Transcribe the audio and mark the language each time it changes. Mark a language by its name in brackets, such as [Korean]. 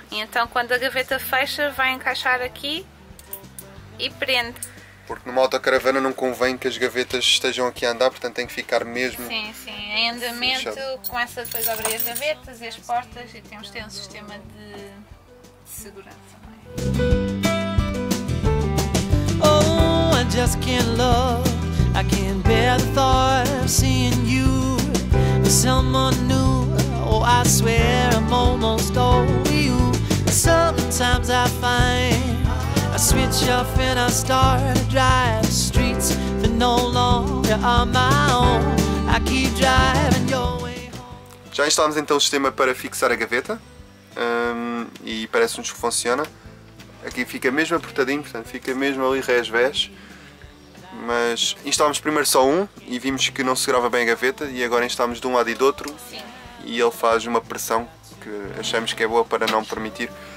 [Portuguese] E então quando a gaveta fecha vai encaixar aqui e prende. Porque numa autocaravana não convém que as gavetas estejam aqui a andar, portanto tem que ficar mesmo... Sim, sim. Em andamento, fechado. Começa depois a abrir as gavetas e as portas, e temos de ter um sistema de segurança. [English] Oh, I just can't love, I can't bear the thought of seeing you with someone new. Oh, I swear I'm almost over you. Sometimes I find I switch off and I start to drive streets that no longer are my own. I keep driving your way home. [Portuguese] Já instalamos então o sistema para fixar a gaveta, e parece-nos que funciona. Aqui fica mesmo apertadinho, portanto fica mesmo ali res-vés. Mas instalámos primeiro só um e vimos que não segurava bem a gaveta, e agora instalámos de um lado e do outro. Sim. E ele faz uma pressão que achamos que é boa para não permitir